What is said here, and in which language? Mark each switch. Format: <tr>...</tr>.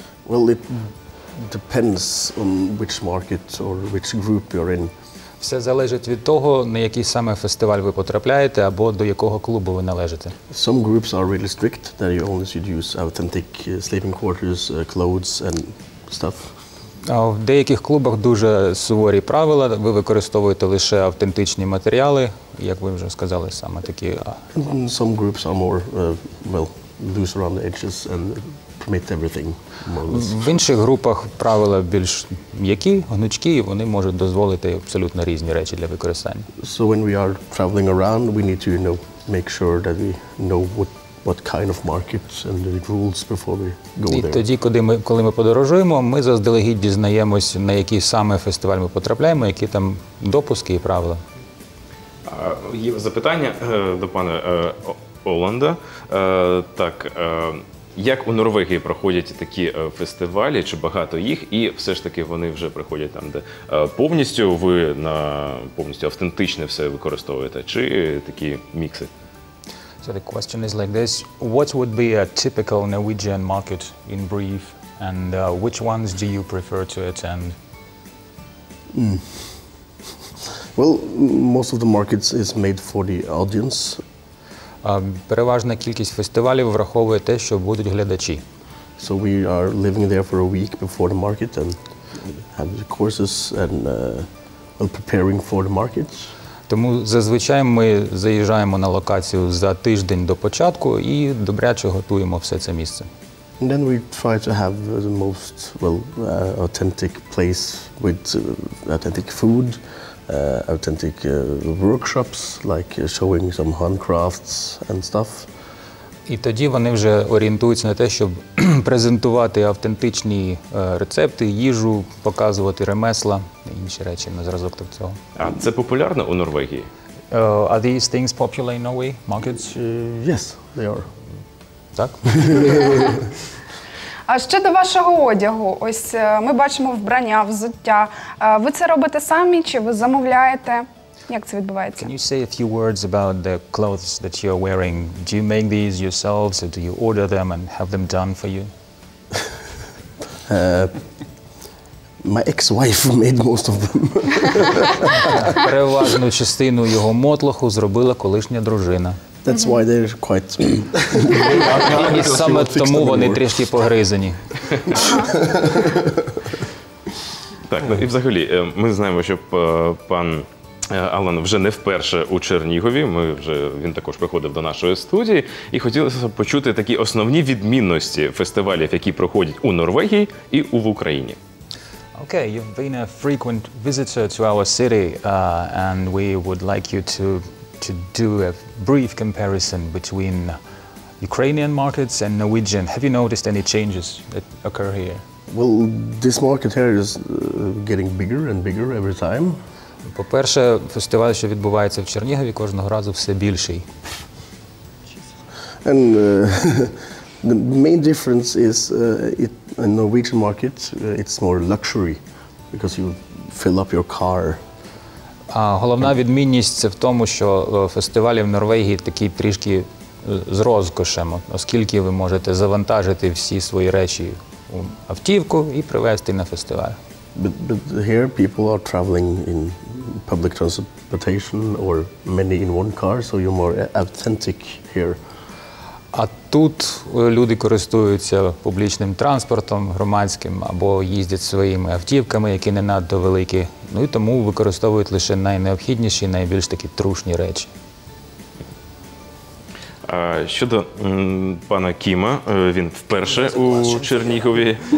<en>Well, it depends on which market or which group you're in.</en> <uk>Все залежить від того, на який саме фестиваль ви потрапляєте або до якого клубу ви належите.</uk> <en>Some groups are really strict that you only should use authentic sleeping quarters, clothes and stuff.</en> <uk>А в деяких клубах дуже суворі правила, ви використовуєте лише автентичні матеріали, як ви вже сказали, саме такі.</uk> <en>Some groups are more well loose around the edges and permit everything.</en> <uk>В інших групах правила більш м'які, гнучкі, і вони можуть дозволити абсолютно різні речі для використання.</uk> <en>So when we are traveling around, we need to, you know, make sure that we know what kind of markets and the rules before we go there.</en> <uk>І тоді, коли ми подорожуємо, ми заздалегідь дізнаємось, на який саме фестиваль ми потрапляємо, які там допуски і правила. Є запитання до пана Оланда. Так, як у Норвегії проходять такі фестивалі, чи багато їх, і все ж таки вони вже приходять там, де повністю ви на повністю автентичне все використовуєте, чи такі мікси?</uk> <en>So the question is like this: what would be a typical Norwegian market in brief, and which ones do you prefer to attend? Well, most of the markets is made for the audience.</en> <uk>Переважна кількість фестивалів враховує те, що будуть глядачі.</uk> <en>So we are living there for a week before the market and have the courses and preparing for the market.</en> <uk>Тому зазвичай ми заїжджаємо на локацію за тиждень до початку і добряче готуємо все це місце.</uk> <en>And then we try to have the most well authentic place with authentic food. Authentic workshops, like showing some handcrafts and stuff.</en> <uk>І тоді вони вже орієнтуються на те, щоб презентувати автентичні рецепти, їжу, показувати ремесла, інші речі на зразок до цього. А це популярно у Норвегії?</uk> <en>Are these things popular in Norway markets? Yes, they are.</en> <uk>Так? А ще до вашого одягу. Ось ми бачимо вбрання, взуття. Ви це робите самі чи ви замовляєте? Як це відбувається?</uk> <en>Can you say a few words about the clothes that you're wearing? Do you make these yourselves or do you order them and have them done for you? My ex-wife made most of them.</en> <uk>Переважну частину його мотлоху зробила колишня дружина.</uk> <en>That's why they're quite.</en> <uk>І саме тому вони трішки погризені. Так, ну і взагалі, ми знаємо, що пан Алан вже не вперше у Чернігові. Він також приходив до нашої студії. І хотілося б почути такі основні відмінності фестивалів, які проходять у Норвегії і в Україні.</uk> <en>Okay, you've been a frequent visitor to our city, and we would like you to do a brief comparison between Ukrainian markets and Norwegian. Have you noticed any changes that occur here? Well, this market here is getting bigger and bigger every time.</en> <uk>По-перше, фестиваль, що відбувається в Чернігові, кожного разу все більший.</uk> <en>And the main difference is in Norwegian market it's more luxury because you fill up your car.</en> <uk>А головна відмінність це в тому, що фестивалі в Норвегії такі трішки з розкошем, оскільки ви можете завантажити всі свої речі у автівку і привезти на фестиваль.</uk> <en>But here people are traveling in public transportation or many in one car, so you're more authentic here.</en> <uk>А тут люди користуються публічним транспортом громадським або їздять своїми автівками, які не надто великі. Ну і тому використовують лише найнеобхідніші, найбільш такі трушні речі. Щодо пана Кіма, він вперше у Чернігові.</uk>